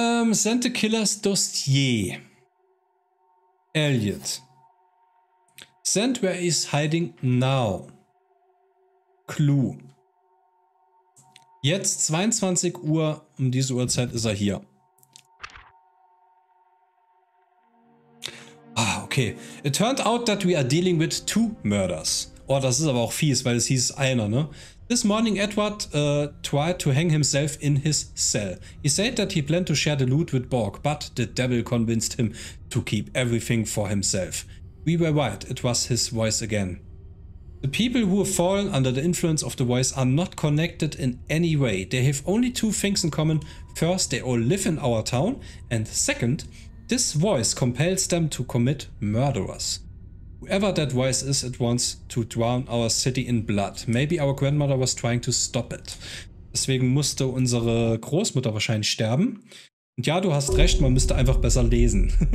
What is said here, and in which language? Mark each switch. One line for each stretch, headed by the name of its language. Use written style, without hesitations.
English: Send the killer's dossier. Elliot. Send where he's hiding now. Clue.
German: Jetzt 22 Uhr, um diese Uhrzeit ist er hier. Ah, okay.
English: It turned out that we are dealing with two murders.
German: Oh, das ist aber auch fies, weil es hieß einer, ne?
English: This morning Edward tried to hang himself in his cell. He said that he planned to share the loot with Borg, but the devil convinced him to keep everything for himself. We were right, it was his voice again. The people who have fallen under the influence of the voice are not connected in any way. They have only two things in common. First, they all live in our town. And second, this voice compels them to commit murderers. Whoever that voice is, it wants to drown our city in blood. Maybe our grandmother was trying to stop it.
German: Deswegen musste unsere Großmutter wahrscheinlich sterben. Und ja, du hast recht, man müsste einfach besser lesen.